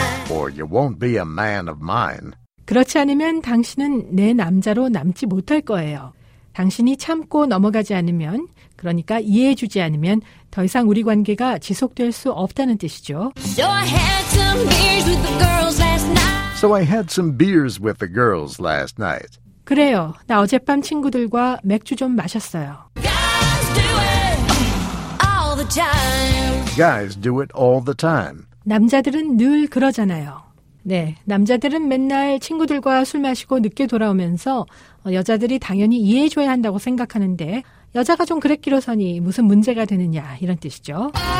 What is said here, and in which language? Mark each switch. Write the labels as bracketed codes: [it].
[en] Or you won't be a man of mine. [ko] 그렇지 않으면 당신은 내 남자로 남지 못할 거예요. 당신이 참고 넘어가지 않으면, 그러니까 이해해 주지 않으면 더 이상 우리 관계가 지속될 수 없다는 뜻이죠. [en] So I had some beers with the girls last night. So I had some beers with the girls last night. [ko] 그래요. 나 어젯밤 친구들과 맥주 좀 마셨어요. [en] Guys do it all the time. Guys do it all the time. [ko] 남자들은 늘 그러잖아요. 네, 남자들은 맨날 친구들과 술 마시고 늦게 돌아오면서 여자들이 당연히 이해해줘야 한다고 생각하는데 여자가 좀 그랬기로서니 무슨 문제가 되느냐 이런 뜻이죠.